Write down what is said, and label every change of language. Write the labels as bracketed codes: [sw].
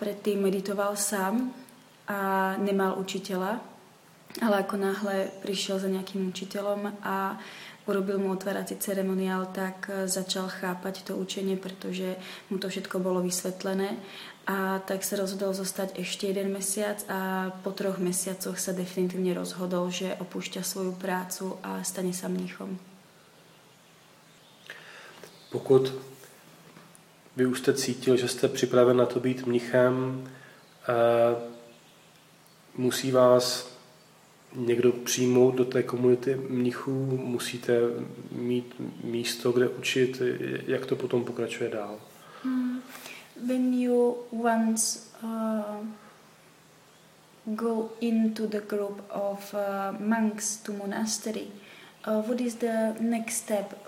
[sk] Predtým meditoval sám a nemal učiteľa, ale ako náhle prišiel za nejakým učiteľom a urobil mu otvárací ceremoniál, tak začal chápať to učenie, pretože mu to všetko bolo vysvetlené. A tak sa rozhodol zostať ešte jeden mesiac a po 3 mesiacoch sa definitívne rozhodol, že opúšťa svoju prácu a stane sa mníchom. [cs] Pokud vy už ste cítil, že ste pripraven na to být mnichem, musí vás někdo přijmout do té komunity mnichů, musíte mít místo, kde učit, jak to potom pokračuje dál? [en] When you once go into the group of monks to monastery, what is the next step?